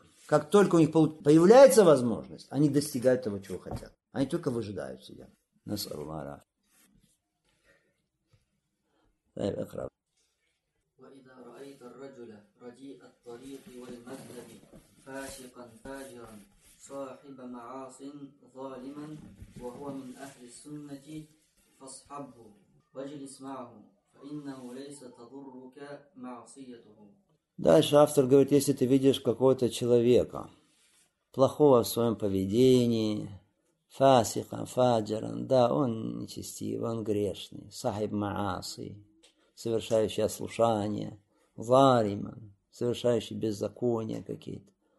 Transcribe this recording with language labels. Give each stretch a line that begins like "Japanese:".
Russian: Как только у них появляется возможность, они достигают того, чего хотят. Они только выжидают себя. Насаллара.
Arabic: وإذا رأيت الرجل رديء الطريق والمذهب فاشقا فاجرا صاحب معاص ظالما وهو من أهل السنة فاصحبه واجلس معه فإنه ليس تضرك معصيته.
Russian: Дальше автор говорит, если ты видишь какого-то человека плохого в своем поведении, фасиха, фаджиран, да, он нечестивый, он грешный, сахиб маасы, совершающий ослушание, лариман, совершающий беззакония какие-то.